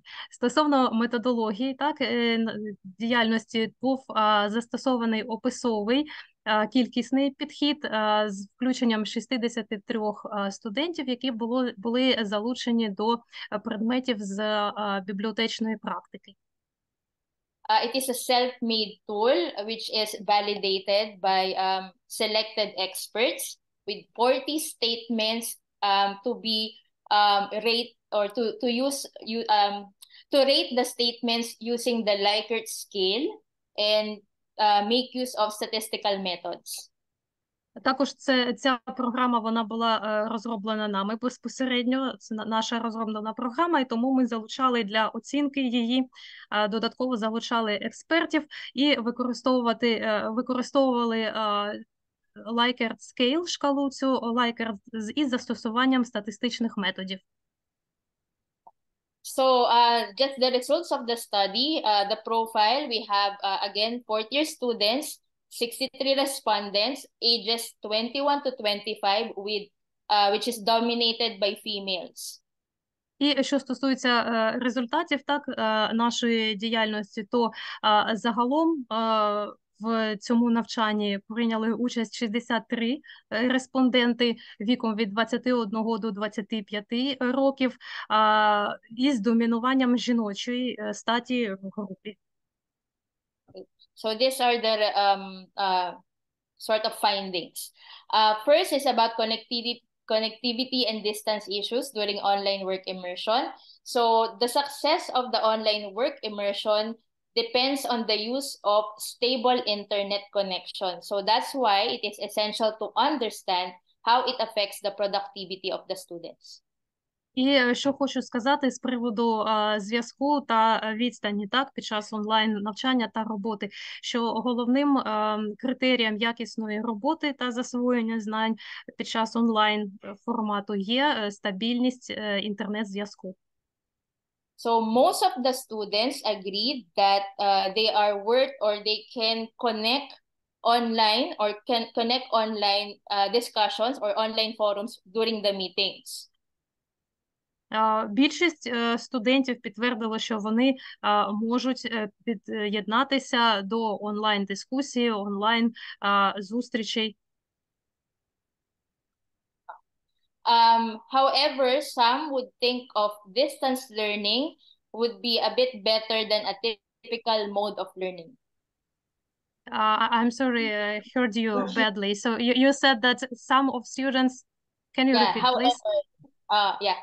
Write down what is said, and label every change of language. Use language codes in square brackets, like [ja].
[uk] Стосовно методології, так, діяльності, був застосований описовий кількісний підхід з включенням 63 студентів, які були залучені до предметів з бібліотечної практики. [en] It is a self-made tool which is validated by selected experts with 40 statements to be rate or to use you to rate the statements using the Likert scale and make use of statistical methods. [uk] Також ця програма, вона була розроблена нами безпосередньо, це наша розроблена програма, і тому ми залучали для оцінки її, додатково залучали експертів і використовували Likert scale, шкалу цю Likert із застосуванням статистичних методів. [en] So just the results of the study, the profile, we have again fourth-year students, 63 respondents, ages 21 to 25, which is dominated by females. [uk] І що стосується результатів, так, нашої діяльності, то загалом в цьому навчанні прийняли участь 63 респонденти віком від 21 до 25 років із домінуванням жіночої статі в групі. [en] So these are the sort of findings. First is about connectivity and distance issues during online work immersion. So the success of the online work immersion depends on the use of stable internet connection. So that's why it is essential to understand how it affects the productivity of the students. [uk] І що хочу сказати з приводу зв'язку та відстані, так, під час онлайн-навчання та роботи, що головним критерієм якісної роботи та засвоєння знань під час онлайн-формату є стабільність інтернет-зв'язку. [en] So most of the students agreed that they are worth or they can connect online or can connect online discussions or online forums during the meetings. [uk] Більшість студентів підтвердили, що вони можуть під'єднатися до онлайн-дискусії, онлайн-зустрічей. [en] However, some would think of distance learning would be a bit better than a typical mode of learning. I'm sorry, I heard you badly. So you said that some of students, can you repeat, please?